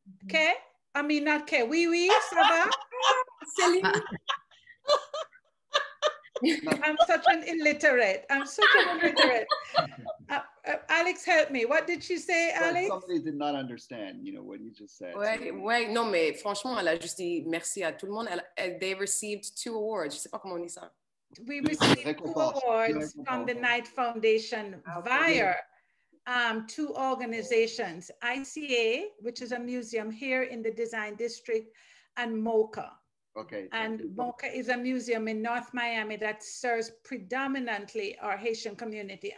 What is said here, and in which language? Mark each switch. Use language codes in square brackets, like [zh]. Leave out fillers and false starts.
[fr] Que? [en] I mean, not [fr] que. Oui, oui, ça va? Céline. [en] I'm such an illiterate. Alix, help me. What did she say, Alix? Somebody did not understand, you know, what you just said. [fr] Ouais, non, mais franchement, elle a juste dit merci à tout le monde. [en] They received two awards. [fr] Je sais pas comment on dit ça. [en] We received two awards from the Knight Foundation via two organizations, ICA, which is a museum here in the Design District, and MoCA. Okay. And MoCA is a museum in North Miami that serves predominantly our Haitian community.